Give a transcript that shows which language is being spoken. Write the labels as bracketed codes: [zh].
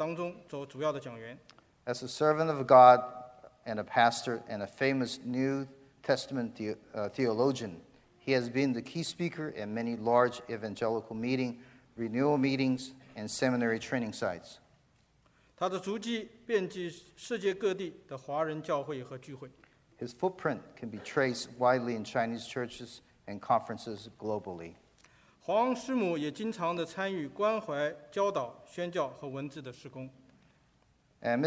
[zh] 他曾在许多福音和培灵大会及圣经和神学教导的当中做主要的讲员。 [en] As a servant of God and a pastor and a famous New Testament theologian, he has been the key speaker at many large evangelical meetings, renewal meetings, and seminary training sites. [zh] 他的足迹遍及世界各地的华人教会和聚会。 [en] His footprint can be traced widely in Chinese churches and conferences globally. [zh] 黄师母也经常地参与关怀、教导、宣教和文字的施工。 [en] And